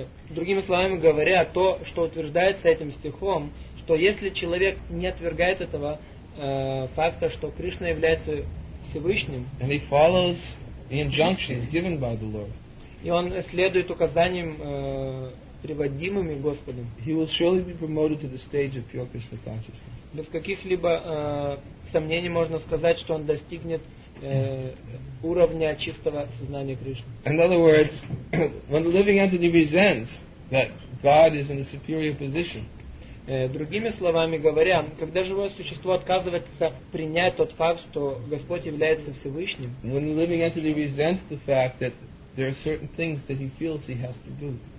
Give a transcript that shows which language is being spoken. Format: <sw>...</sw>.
<ru>Другими словами говоря, то, что утверждается этим стихом, что если человек не отвергает этого факта, что Кришна является Всевышним,</ru> <en>and he follows the injunctions given by the Lord.</en> <ru>И он следует указаниям, приводимыми Господом.</ru> <en>He will surely be promoted to the stage of pure Krishna consciousness.</en> <ru>Без каких-либо сомнений можно сказать, что он достигнет уровня чистого сознания Кришны.</ru> <en>In other words, when the living entity resents that God is in a superior position.</en> <ru>Другими словами говоря, когда живое существо отказывается принять тот факт, что Господь является Всевышним,</ru> <en>when the living entity resents the fact that there are certain things that he feels he has to do.</en>